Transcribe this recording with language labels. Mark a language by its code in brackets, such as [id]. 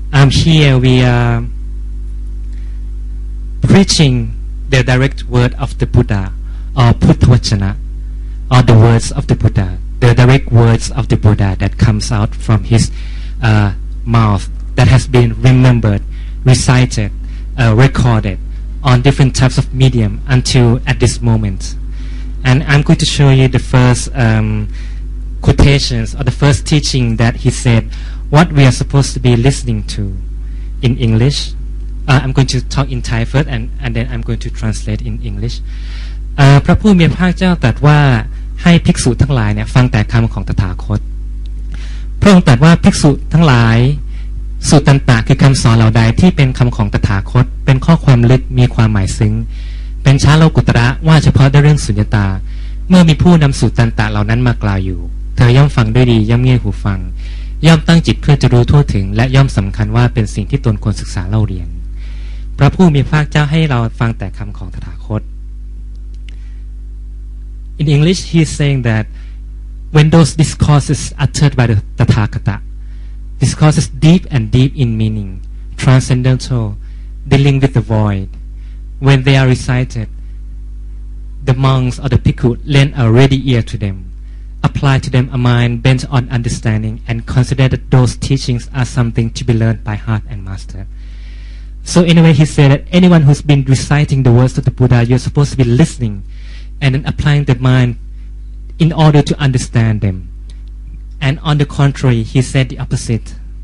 [en] Here we are preaching the direct word of the Buddha, or Puttavachana, or the words of the Buddha, the direct words of the Buddha that comes out from his mouth, that has been remembered, recited, recorded on different types of medium until at this moment. And I'm going to show you the first quotations, or the first teaching that he said, what we are supposed to be listening to in English. I'm going to talk in Thai first, and then I'm going to translate in English. [th] พระผู้มีพระเจ้าตรัสว่าให้ภิกษุทั้งหลายเนี่ยฟังแต่คำของตถาคตพระองค์ตรัสว่าภิกษุทั้งหลายสุตตันตะคือคำสอนเหล่าใดที่เป็นคำของตถาคตเป็นข้อความลึกมีความหมายซึ้ง เป็นชาโลกุตระว่าเฉพาะในเรื่องสุญญตาเมื่อมีผู้นำสุตตันตะเหล่านั้นมากล่าวอยู่เธอย่อมฟังด้วยดีย่อมเงี่ยหูฟังย่อมตั้งจิตเพื่อจะรู้ทั่วถึงและย่อมสำคัญว่าเป็นสิ่งที่ตนควรศึกษาเล่าเรียน พระผู้มีพระเจ้าให้เราฟังแต่คำของตถาคต [en] In English he is saying that when those discourses uttered by the Tathagata, discourses deep and deep in meaning, transcendental, dealing with the void, when they are recited, the monks or the bhikkhu lend a ready ear to them, apply to them a mind bent on understanding, and consider that those teachings are something to be learned by heart and master. So anyway, he said that anyone who's been reciting the words of the Buddha, you're supposed to be listening and then applying the mind in order to understand them. And on the contrary, he said the opposite.